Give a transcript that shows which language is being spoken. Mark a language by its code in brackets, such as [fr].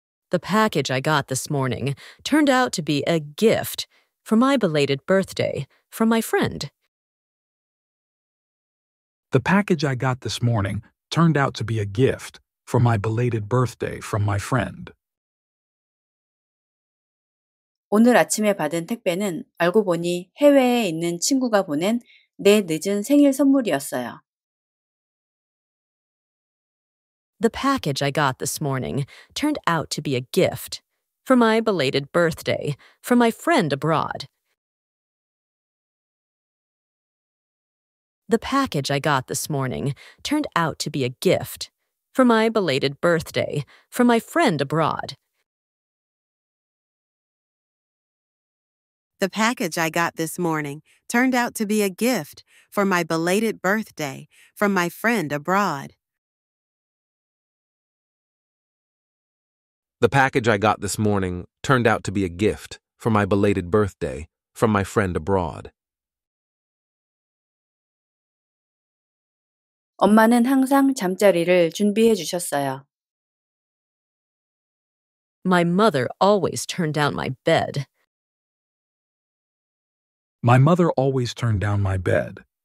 [en] The package I got this morning turned out to be a gift for my belated birthday from my friend. The package I got this morning turned out to be a gift for my belated birthday from my friend. [ko] 오늘 아침에 받은 택배는 알고 보니 해외에 있는 친구가 보낸 내 늦은 생일 선물이었어요. [en] The package I got this morning turned out to be a gift for my belated birthday from my friend abroad. The package I got this morning turned out to be a gift for my belated birthday from my friend abroad. The package I got this morning turned out to be a gift for my belated birthday from my friend abroad. The package I got this morning turned out to be a gift for my belated birthday from my friend abroad. [ko] 엄마는 항상 잠자리를 준비해 주셨어요. [en] My mother always turned down my bed. My mother always turned down my bed.